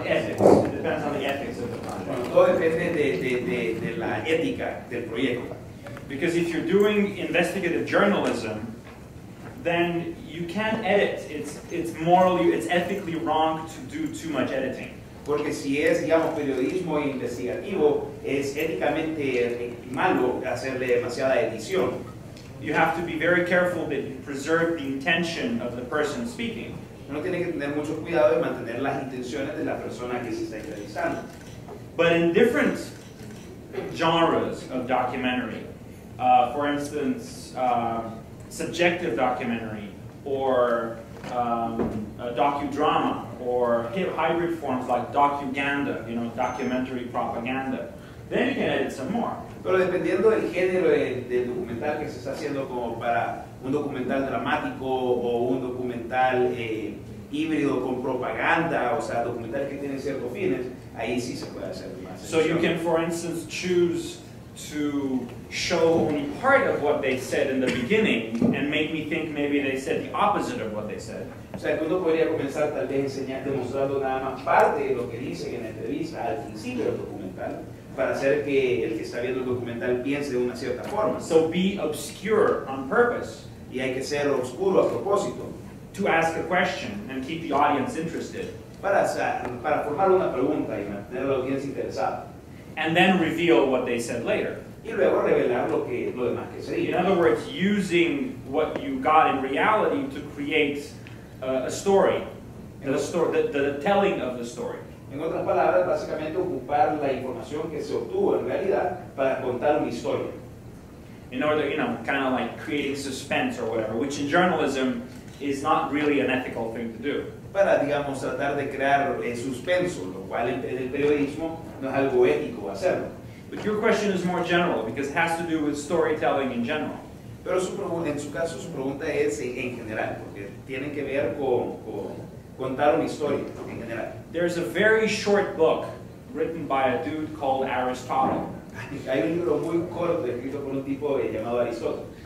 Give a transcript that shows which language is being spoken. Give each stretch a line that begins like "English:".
English: It depends on the ethics of the project. Because if you're doing investigative journalism, then you can't edit. It's morally, it's ethically wrong to do too much editing.
Spanish: Porque si es, digamos, periodismo investigativo, es éticamente malo hacerle demasiada edición.
English: You have to be very careful that you preserve the intention of the person speaking.
Spanish: Uno tiene que tener mucho cuidado de mantener las intenciones de la persona que se está entrevistando.
English: But in different genres of documentary, for instance, subjective documentary or a docudrama or hybrid forms like docuganda, you know, documentary propaganda. Then you can edit some more.
Spanish: Pero dependiendo del género del documental que se está haciendo, como para un documental dramático o un documental híbrido con propaganda, o sea, documental que tiene ciertos fines, ahí sí se puede hacer más.
English: So you can, for instance, choose to show only part of what they said in the beginning and make me think maybe they said the opposite of what they said.
Spanish: O sea, uno podría comenzar tal vez enseñando, demostrando nada más parte de lo que dicen en la entrevista al principio del documental, para hacer que el que está viendo el documental piense de una cierta forma.
English: So be obscure on purpose.
Spanish: Y hay que ser oscuro a propósito.
English: To ask a question and keep the audience interested.
Spanish: Para formar una pregunta y mantener a la audiencia interesada.
English: And then reveal what they said later.
Spanish: Y luego revelar lo demás que se dijo.
English: In other words, using what you got in reality to create a story, the telling of the story.
Spanish: En otras palabras, básicamente ocupar la información que se obtuvo en realidad para contar una historia.
English: In order, you know, kind of like creating suspense or whatever, which in journalism is not really an ethical thing to do.
Spanish: Para, digamos, tratar de crear suspenso, lo cual en el periodismo no es algo ético hacerlo.
English: But your question is more general because it has to do with storytelling in general.
Spanish: Pero en su caso su pregunta es en general, porque tiene que ver con contar una historia en general.
English: There's a very short book written by a dude called Aristotle.
Spanish: Hay un libro muy corto escrito por un tipo llamado Aristóteles.